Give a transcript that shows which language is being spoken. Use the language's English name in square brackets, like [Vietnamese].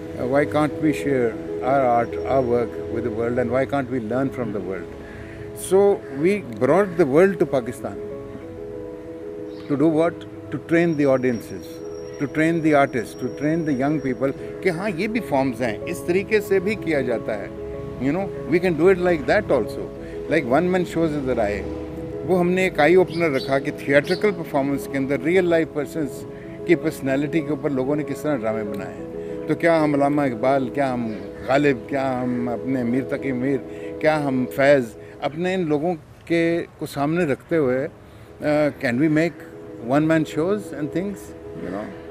[English] Why can't we share our art, our work with the world, and why can't we learn from the world? So we brought the world to Pakistan to do what? To train the audiences, to train the artists, to train the young people. [Hindi] कि हाँ ये भी forms हैं, इस तरीके से भी किया जाता है. [English] You know, we can do it like that also. Like one man shows in the Rai. [Hindi] वो हमने एक eye opener रखा कि theatrical performance के अंदर real life persons की personality के ऊपर लोगों ने किस तरह ड्रामे बनाए हैं. तो क्या हम अल्लामा इकबाल, क्या हम गालिब, क्या हम अपने मीर तकी मीर, क्या हम फैज़, अपने इन लोगों के को सामने रखते हुए [English] Can we make one man shows and things, you know.